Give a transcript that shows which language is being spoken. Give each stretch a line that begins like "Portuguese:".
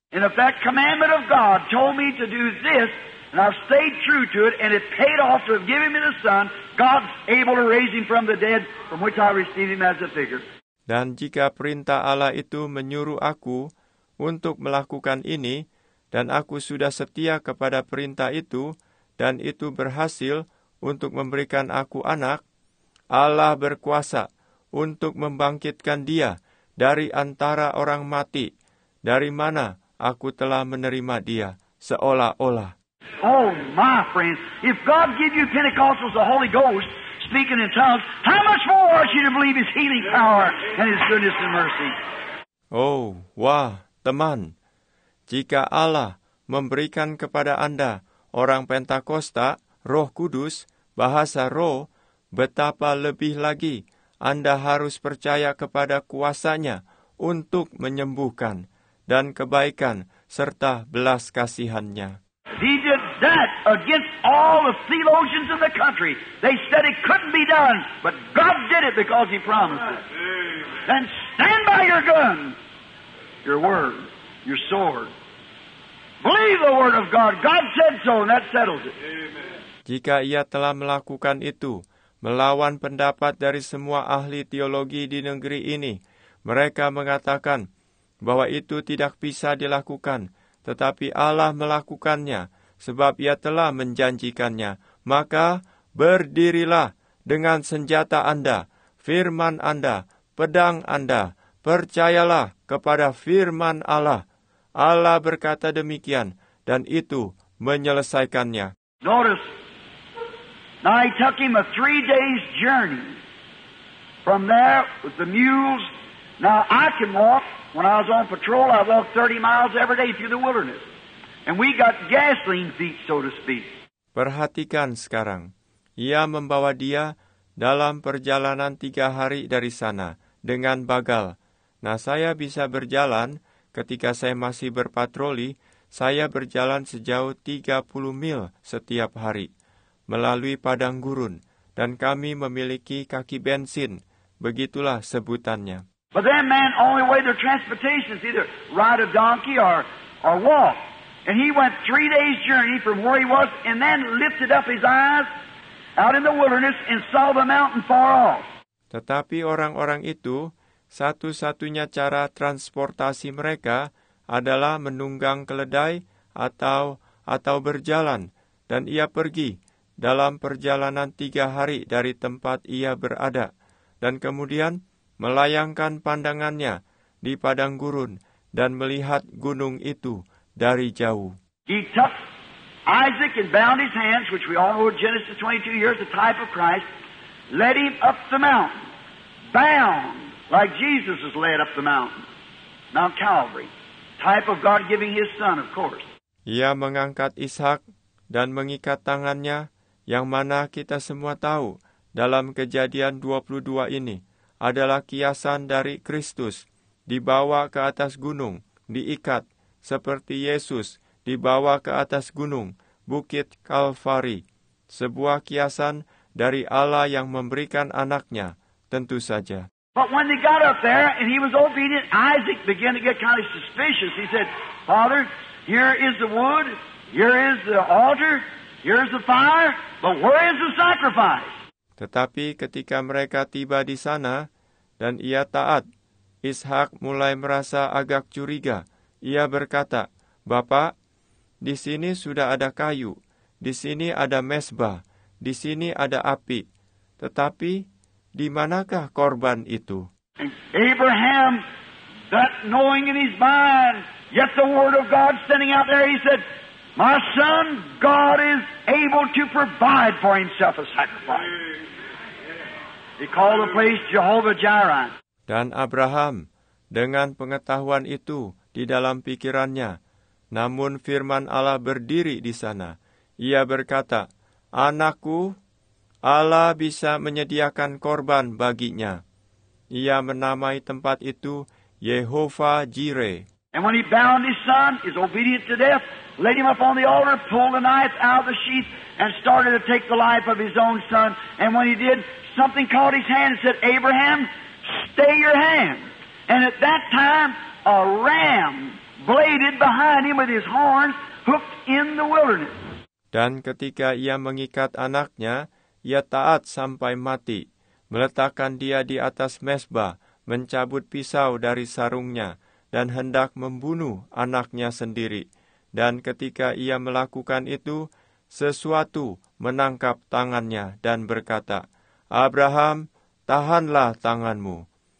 English: And if that commandment of God told me to do this, and I've stayed true to it, and it paid off to have given me the Son, God's able to raise him from the dead, from which I received him as a figure.
Indonesian: Dan jika perintah Allah itu menyuruh aku untuk melakukan ini, dan aku sudah setia kepada perintah itu, dan itu berhasil untuk memberikan aku anak, Allah berkuasa untuk membangkitkan dia dari antara orang mati, dari mana aku telah menerima dia seolah-olah.
English: Oh, my friends, if God give you Pentecostals the Holy Ghost, speaking in tongues, how much more ought you to believe His healing power and His goodness and mercy?
Indonesian: Oh, wah, teman. Jika Allah memberikan kepada Anda orang Pentakosta, Roh Kudus, bahasa roh, betapa lebih lagi Anda harus percaya kepada kuasanya untuk menyembuhkan dan kebaikan serta belas kasihannya.
English: He did that against all the theologians in the country. They said it couldn't be done, but God did it because He promised it. And stand by your gun, your word, your sword. Believe the word of God. God said so, and that settles it. Amen.
Indonesian: Jika ia telah melakukan itu, melawan pendapat dari semua ahli teologi di negeri ini, mereka mengatakan bahwa itu tidak bisa dilakukan, tetapi Allah melakukannya, sebab ia telah menjanjikannya. Maka berdirilah dengan senjata Anda, firman Anda, pedang Anda, percayalah kepada firman Allah. Allah berkata demikian, dan itu menyelesaikannya.
English: Notice, now he took him a 3 days journey from there with the mules. Now I can walk, when I was on patrol, I walked 30 miles every day through the wilderness. And we got gasoline feet, so to speak.
Indonesian: Perhatikan sekarang, ia membawa dia dalam perjalanan 3 hari dari sana, dengan bagal. Nah, saya bisa berjalan. Ketika saya masih berpatroli, saya berjalan sejauh 30 mil setiap hari melalui padang gurun, dan kami memiliki kaki bensin, begitulah sebutannya.
English: But then, man, only way their transportation is either ride a donkey or walk. And he went 3 days' journey from where he was and then lifted up his eyes out in the wilderness and saw the mountain far off.
Indonesian: Tetapi orang-orang itu, satu-satunya cara transportasi mereka adalah menunggang keledai atau berjalan, dan ia pergi dalam perjalanan 3 hari dari tempat ia berada, dan kemudian melayangkan pandangannya di padang gurun dan melihat gunung itu dari jauh.
English: He took Isaac and bound his hands, which we all know in Genesis 22, here's the type of Christ, led him up the mountain, bound, like Jesus is led up the mountain, Mount Calvary, type of God giving his son, of course.
Indonesian: Ia mengangkat Ishak dan mengikat tangannya, yang mana kita semua tahu dalam Kejadian 22 ini adalah kiasan dari Kristus dibawa ke atas gunung, diikat seperti Yesus dibawa ke atas gunung, Bukit Kalvari, sebuah kiasan dari Allah yang memberikan anaknya, tentu saja.
English: But when they got up there and he was obedient, Isaac began to get kind of suspicious. He said, Father, here is the wood, here is the altar, here is the fire, but where is the sacrifice?
Indonesian: Tetapi ketika mereka tiba di sana dan ia taat, Ishak mulai merasa agak curiga. Ia berkata, Bapak, di sini sudah ada kayu, di sini ada mesbah, di sini ada api, tetapi di manakah korban itu?
English: Abraham, that knowing in his mind, yet the word of God standing out there, he said, My son, God is able to provide for himself a sacrifice. He called the place Jehovah Jireh.
Indonesian: Dan Abraham, dengan pengetahuan itu di dalam pikirannya, namun firman Allah berdiri di sana. Ia berkata, Anakku, Allah bisa menyediakan korban baginya. Ia menamai tempat itu Yehovah Jireh.
English: And when he bound his son, his obedient to death, laid him up on the altar, pulled the knife out of the sheath, and started to take the life of his own son. And when he did, something caught his hand and said, Abraham, stay your hand. And at that time, a ram bladed behind him with his horns hooked in the wilderness.
Indonesian: Dan ketika ia mengikat anaknya, ia taat sampai mati, meletakkan dia di atas mesbah, mencabut pisau dari sarungnya, dan hendak membunuh anaknya sendiri. Dan ketika ia melakukan itu, sesuatu menangkap tangannya dan berkata, Abraham, tahanlah tanganmu.